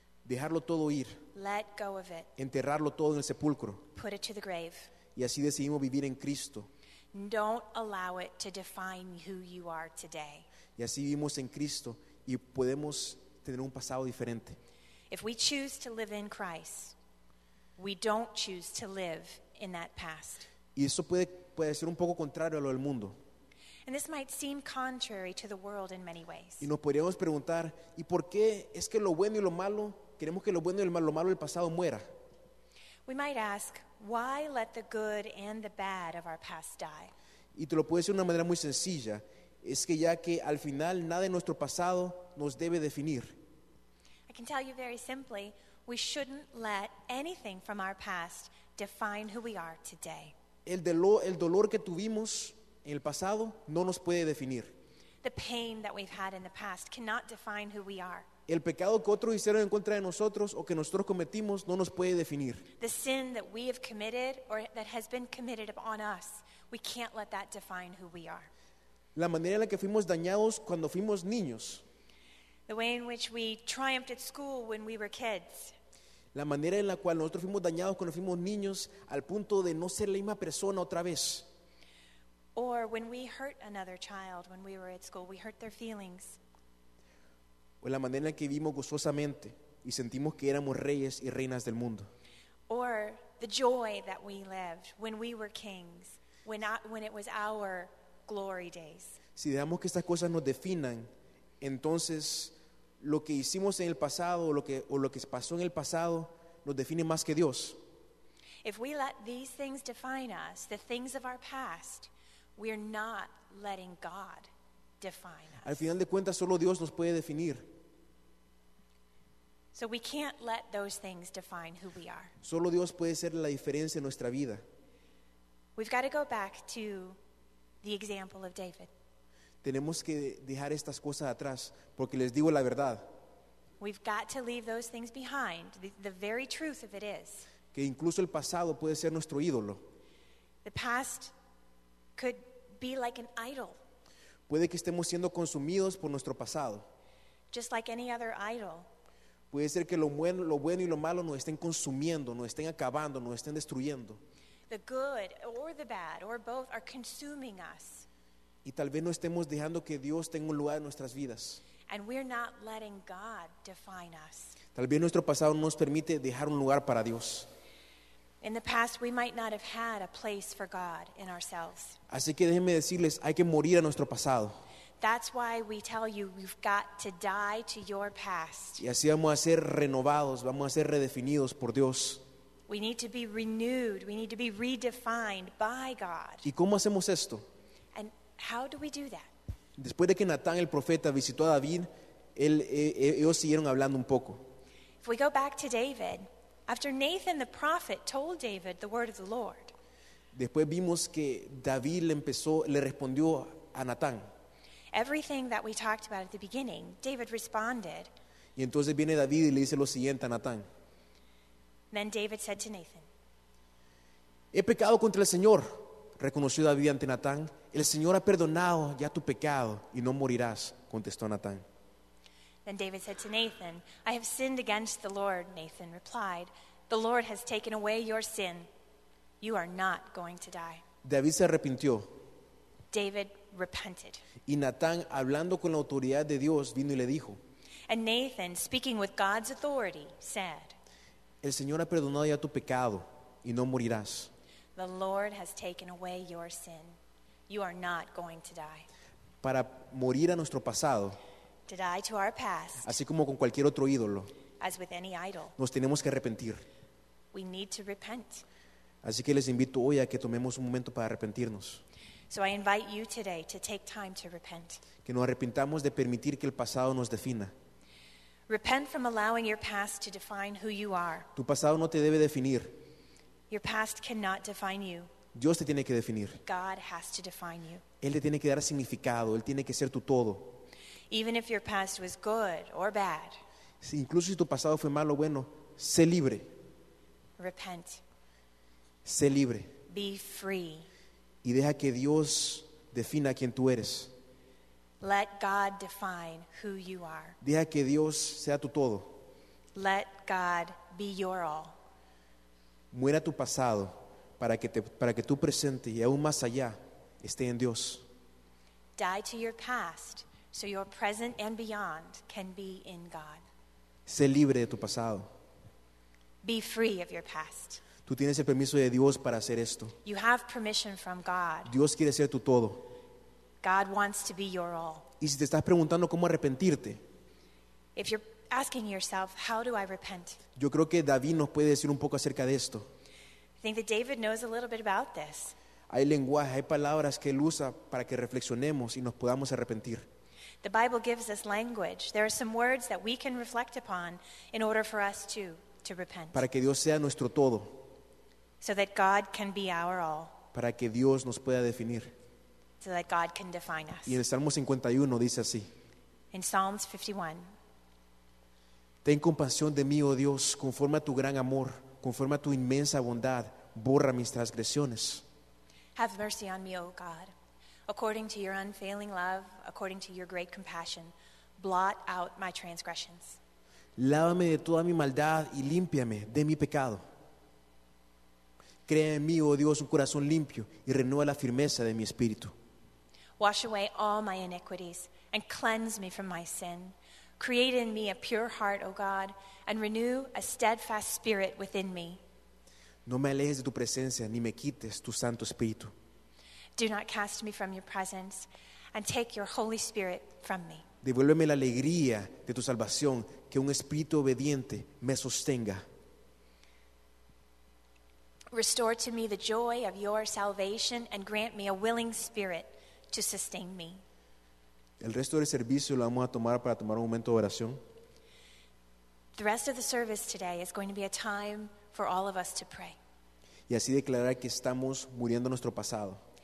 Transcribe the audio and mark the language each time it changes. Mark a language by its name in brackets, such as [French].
[Spanish] Dejarlo todo ir. [English] Let go of it. [Spanish] Enterrarlo todo en el sepulcro. [English] Put it to the grave. [Spanish] Y así decidimos vivir en Cristo. [English] Don't allow it to define who you are today. [Spanish] Y así vivimos en Cristo y podemos tener un pasado diferente. [English] If we choose to live in Christ, we don't choose to live in that past. [Spanish] Y eso puede ser un poco contrario a lo del mundo. [English] And this might seem contrary to the world in many ways. [Spanish] Y nos podríamos preguntar, ¿y por qué es que lo bueno y lo malo, queremos que lo bueno y lo malo del pasado muera? [English] We might ask, why let the good and the bad of our past die? [Spanish] Y te lo puedo decir de una manera muy sencilla, es que ya que al final nada de nuestro pasado nos debe definir. [English] I can tell you very simply, we shouldn't let anything from our past define who we are today. [Spanish] El dolor que tuvimos en el pasado no nos puede definir. [English] The pain that we've had in the past cannot define who we are. [Spanish] El pecado que otros hicieron en contra de nosotros o que nosotros cometimos no nos puede definir. [English] The sin that we have committed or that has been committed upon us, we can't let that define who we are. [Spanish] La manera en la que fuimos dañados cuando fuimos niños. [English] The way in which we triumphed at school when we were kids. [Spanish] La manera en la cual nosotros fuimos dañados cuando fuimos niños al punto de no ser la misma persona otra vez. [English] Or when we hurt another child when we were at school, we hurt their feelings. [Spanish] O la manera en la que vivimos gozosamente y sentimos que éramos reyes y reinas del mundo. [English] Or the joy that we lived when we were kings, when it was our glory days. [Spanish] Si dejamos que estas cosas nos definan, entonces lo que hicimos en el pasado o lo que pasó en el pasado nos define más que Dios. [English] If we let these things define us, the things of our past, we're not letting God define us. [Spanish] Al final de cuentas, solo Dios nos puede definir. [English] So we can't let those things define who we are. [Spanish] Solo Dios puede ser la diferencia en nuestra vida. [English] We've got to go back to the example of David. [Spanish] Tenemos que dejar estas cosas atrás, porque les digo la verdad. [English] We've got to leave those things behind. The very truth of it is. [Spanish] Que incluso el pasado puede ser nuestro ídolo. [English] The past could be like an idol. [Spanish] Puede que estemos siendo consumidos por nuestro pasado. [English] Just like any other idol. [Spanish] Puede ser que lo bueno y lo malo nos estén consumiendo, nos estén acabando, nos estén destruyendo. [English] The good or the bad or both are consuming us. [Spanish] Y tal vez no estemos dejando que Dios tenga un lugar en nuestras vidas. [English] And we're not letting God define us. [Spanish] Tal vez nuestro pasado no nos permite dejar un lugar para Dios. [English] In the past, we might not have had a place for God in ourselves. [Spanish] Así que déjenme decirles, hay que morir a nuestro pasado. [English] That's why we tell you, you've got to die to your past. [Spanish] Y así vamos a ser renovados, vamos a ser redefinidos por Dios. [English] We need to be renewed, we need to be redefined by God. [Spanish] ¿Y cómo hacemos esto? [English] And how do we do that? [Spanish] Después de que Natán el profeta visitó a David, ellos siguieron hablando un poco. [English] If we go back to David, after Nathan the prophet told David the word of the Lord. [Spanish] Después vimos que David le respondió a Natán. [English] Everything that we talked about at the beginning, David responded. [Spanish] Y entonces viene David y le dice lo siguiente a Natán. [English] Then David said to Nathan. [Spanish] He pecado contra el Señor, reconoció David ante Natán. El Señor ha perdonado ya tu pecado y no morirás, contestó Natán. [English] Then David said to Nathan, I have sinned against the Lord, Nathan replied. The Lord has taken away your sin. You are not going to die. [Spanish] David se arrepintió. [English] David repented. [Spanish] Y Natán, hablando con la autoridad de Dios, vino y le dijo. [English] And Nathan, speaking with God's authority, said, [Spanish] El Señor ha perdonado ya tu pecado y no morirás. [English] The Lord has taken away your sin. You are not going to die. [Spanish] Para morir a nuestro pasado. [English] To die to our past. [Spanish] Así como con cualquier otro ídolo. [English] As with any idol. [Spanish] Nos tenemos que arrepentir. [English] We need to repent. [Spanish] Así que les invito hoy a que tomemos un momento para arrepentirnos. [English] So I invite you today to take time to repent. [Spanish] Que nos arrepintamos de permitir que el pasado nos defina. [English] Repent from allowing your past to define who you are. [Spanish] Tu pasado no te debe definir. [English] Your past cannot define you. [Spanish] Dios te tiene que definir. [English] God has to define you. [Spanish] Él te tiene que dar significado. Él tiene que ser tu todo. [English] Even if your past was good or bad. [Spanish] Si incluso si tu pasado fue malo o bueno, sé libre. [English] Repent. [Spanish] Sé libre. [English] Be free. [Spanish] Y deja que Dios defina quién tú eres. [English] Let God define who you are. [Spanish] Deja que Dios sea tu todo. [English] Let God be your all. [Spanish] Muera tu pasado para que tu presente y aún más allá esté en Dios. [English] Die to your past so your present and beyond can be in God. [Spanish] Sé libre de tu pasado. [English] Be free of your past. [Spanish] Tú tienes el permiso de Dios para hacer esto. [English] You have permission from God. [Spanish] Dios quiere ser tu todo. [English] God wants to be your all. [Spanish] Y si te estás preguntando cómo arrepentirte, [English] if you're asking yourself, how do I repent? [Spanish] Yo creo que David nos puede decir un poco acerca de esto. [English] I think that David knows a little bit about this. [Spanish] Hay lenguaje, hay palabras que él usa para que reflexionemos y nos podamos arrepentir. [English] The Bible gives us language. There are some words that we can reflect upon in order for us to repent. [Spanish] Para que Dios sea nuestro todo. [English] So that God can be our all. [Spanish] Para que Dios nos pueda definir. [English] So that God can define us. [Spanish] Y en el Salmo 51 dice así. [English] In Psalms 51. [Spanish] Ten compasión de mí, oh Dios, conforme a tu gran amor, conforme a tu inmensa bondad, borra mis transgresiones. [English] Have mercy on me, oh God. According to your unfailing love, according to your great compassion, blot out my transgressions. [Spanish] Lávame de toda mi maldad y límpiame de mi pecado. Crea en mí, oh Dios, un corazón limpio y renueva la firmeza de mi espíritu. [English] Wash away all my iniquities and cleanse me from my sin. Create in me a pure heart, O God, and renew a steadfast spirit within me. [Spanish] No me alejes de tu presencia ni me quites tu santo espíritu. [English] Do not cast me from your presence and take your Holy Spirit from me. [Spanish] Devuélveme la alegría de tu salvación, que un espíritu obediente me sostenga. [English] Restore to me the joy of your salvation and grant me a willing spirit to sustain me. [Spanish] El resto del servicio lo vamos a tomar para tomar un momento de oración. [English] The rest of the service today is going to be a time for all of us to pray. [Spanish] Y así declarar que estamos muriendo nuestro pasado.